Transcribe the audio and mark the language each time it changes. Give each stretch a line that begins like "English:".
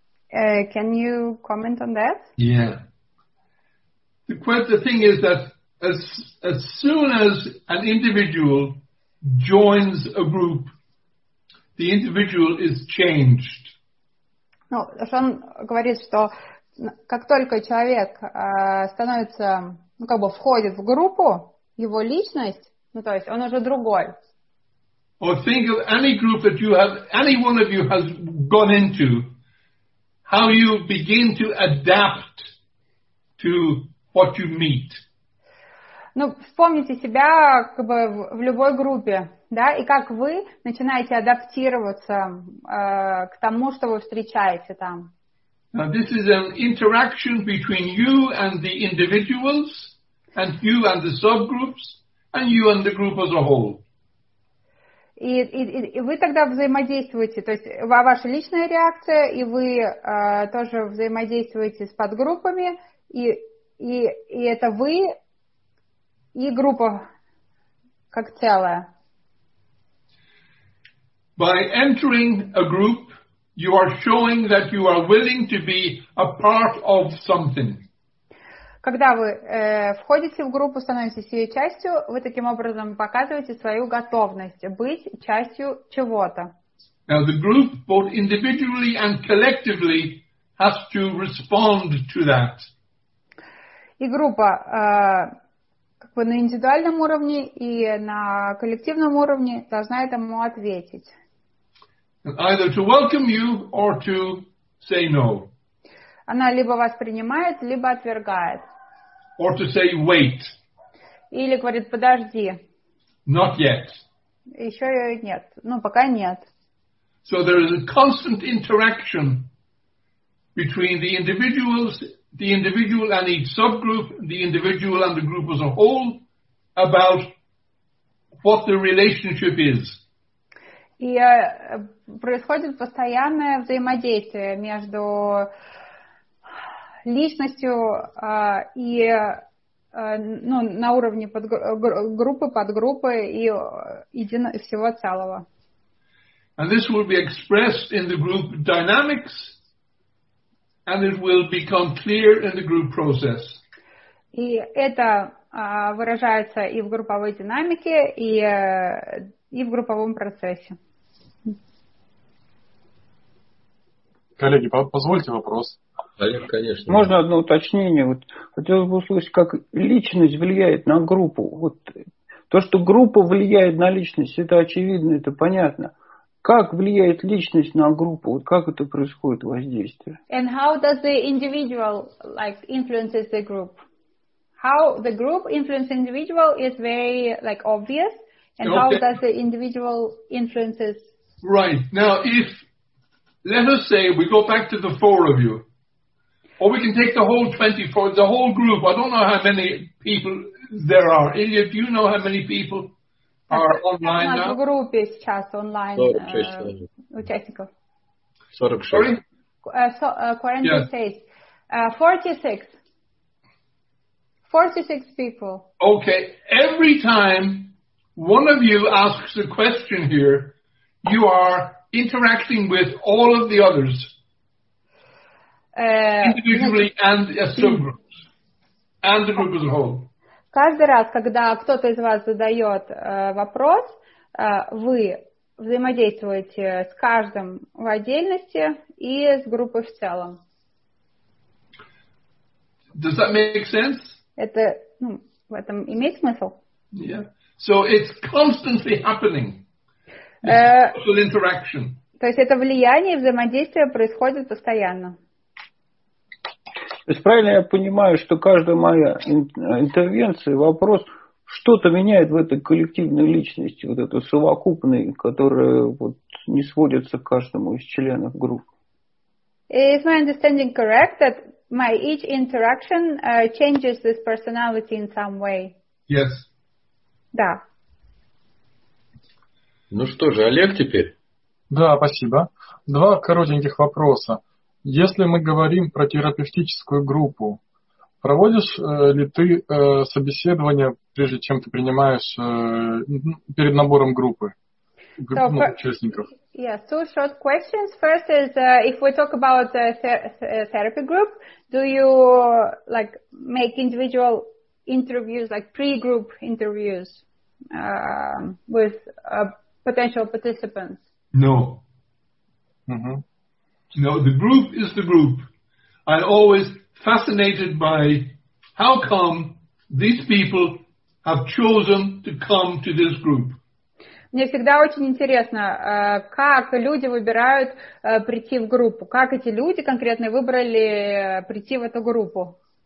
English: Can you comment on that? Yeah. The thing is that as soon as an individual joins a group, the individual is changed.
Russian: Ну, он говорит, что как только человек становится, ну как бы входит в группу, его личность, ну то есть он уже другой.
English: Or think of any group that you have, any one of you has gone into, how you begin to adapt to what you meet.
Russian: Ну, вспомните себя как бы в любой группе, да, и как вы начинаете адаптироваться к тому, что вы встречаете там.
English: Now, this is an interaction between you and the individuals, and you and the subgroups, and you and the group as a whole.
Russian: И вы тогда взаимодействуете, то есть ваша личная реакция, и вы тоже взаимодействуете с подгруппами, и это вы и группа как целая.
English: By entering a group, you are showing that you are willing to be a part of something.
Russian: Когда вы входите в группу, становитесь ее частью, вы таким образом показываете свою готовность быть частью чего-то.
English: Now the group, both individually and collectively, has to respond to that.
Russian: И группа как бы на индивидуальном уровне и на коллективном уровне должна этому ответить.
English: Either to welcome you or to say no.
Russian: Она либо вас принимает, либо отвергает.
English: Or to say wait.
Russian: Или говорит подожди.
English: Not yet.
Russian: Еще нет. Ну пока нет.
English: So there is a constant interaction between the individuals, the individual and each subgroup, the individual and the group as a whole, about what the relationship is.
Russian: И происходит постоянное взаимодействие между личностью и ну, на уровне группы, подгруппы и всего целого.
English: And this will be expressed in the group dynamics, and it will become clear in the group process.
Russian: И это выражается и в групповой динамике, и в групповом процессе. Коллеги, позвольте вопрос. Олег, конечно. Можно одно уточнение? Вот, хотелось бы услышать, как личность влияет на группу. Вот, то, что группа влияет на личность, это очевидно, это понятно. Как влияет личность на группу? Вот как это происходит воздействие?
English: And how does the individual like influences the group? How the group influences individual is very like obvious. And okay. How does the individual influences? Right. Now if let us say we go back to the four of you. Or we can take the whole 24, the whole group. I don't know how many people there are. Ilya, do you know how many people are online now?
Russian: У нас в группе сейчас онлайн участников. 46.
English: Sorry? 46. Yeah. 46. 46 people. Okay. Every time one of you asks a question here, you are interacting with all of the others. Individually and as subgroups, and the group as a whole.
Russian: Каждый раз, когда кто-то из вас задает вопрос, вы взаимодействуете с каждым в отдельности и с группой в целом.
English: Does that make sense?
Russian: Это, ну, в этом имеет смысл?
English: Yeah. So it's constantly happening. Social interaction.
Russian: То есть это влияние и взаимодействие происходит постоянно. То есть правильно я понимаю, что каждая моя интервенция, вопрос, что-то меняет в этой коллективной личности, вот эту совокупной, которая вот не сводится к каждому из членов групп.
English: Is my understanding correct that my each interaction changes this personality in some way? Yes.
Russian: Да. Ну что же, Олег теперь. Да, спасибо. Два коротеньких вопроса. Если мы говорим про терапевтическую группу, проводишь ли ты собеседование, прежде чем ты принимаешь перед набором группы участников?
English: Yes, two short questions. First is, if we talk about the therapy group, do you like make individual interviews, like pre-group interviews with potential participants? No. Mm-hmm. No, the group is the group. I'm always fascinated by how come these people have chosen to come to this group.
Russian: Мне всегда очень интересно, как люди выбирают прийти в группу, как эти люди конкретно выбрали прийти в эту группу.